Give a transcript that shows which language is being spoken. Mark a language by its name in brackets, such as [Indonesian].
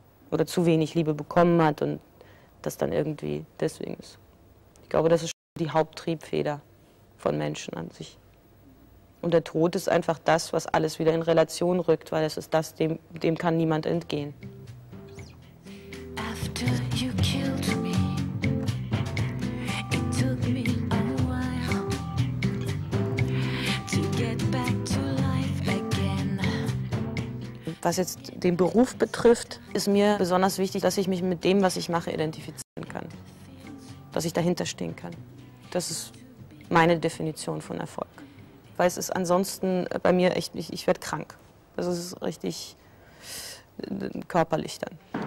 [German] Oder zu wenig Liebe bekommen hat und das dann irgendwie deswegen ist. Ich glaube, das ist schon die Haupttriebfeder von Menschen an sich. Und der Tod ist einfach das, was alles wieder in Relation rückt, weil es ist das, dem kann niemand entgehen. [English] After you killed me, it took me a while to get back to life again. [German] Was jetzt den Beruf betrifft, ist mir besonders wichtig, dass ich mich mit dem, was ich mache, identifizieren kann. Dass ich dahinter stehen kann. Das ist meine Definition von Erfolg. Weil es ist ansonsten bei mir echt, ich werde krank. Das ist richtig körperlich dann.